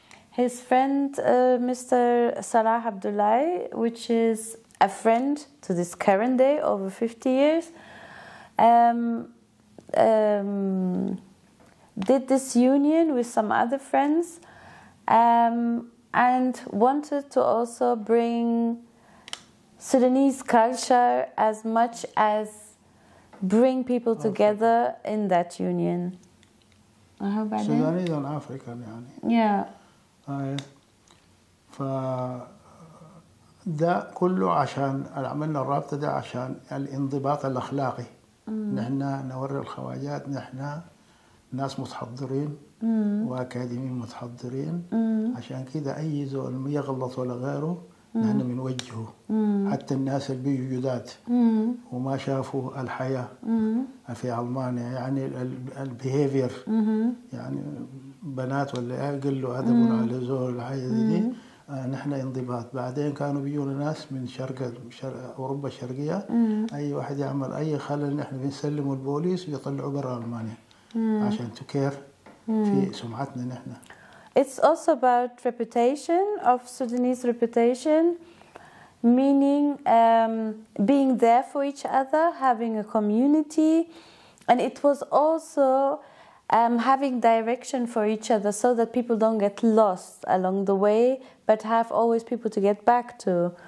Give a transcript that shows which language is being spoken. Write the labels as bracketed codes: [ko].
[en] His friend, Mr. Salah Abdullahi, which is a friend to this current day, over 50 years, did this union with some other friends and wanted to also bring Sudanese culture as much as bring people together in that union. How about that? Sudanese and African, yani. Yeah. [ar] ف ده كله عشان عملنا الرابطه ده عشان الانضباط الاخلاقي نحن نوري الخواجات نحن ناس متحضرين واكاديميين متحضرين عشان كده اي زول يغلط ولا غيره نحن بنوجهه حتى الناس اللي بيجوا جداد وما شافوا الحياه في المانيا يعني البيهيفير يعني بنات ولا اقل له ادب على زور الحاجه دي نحن انضباط بعدين كانوا بيجونا ناس من شرق اوروبا الشرقيه اي واحد يعمل اي خلل نحن بنسلمه البوليس ويطلعوا برا المانيا عشان تكير في سمعتنا نحن. [en] It's also about reputation of Sudanese reputation, meaning being there for each other, having a community, and it was also having direction for each other so that people don't get lost along the way, but have always people to get back to.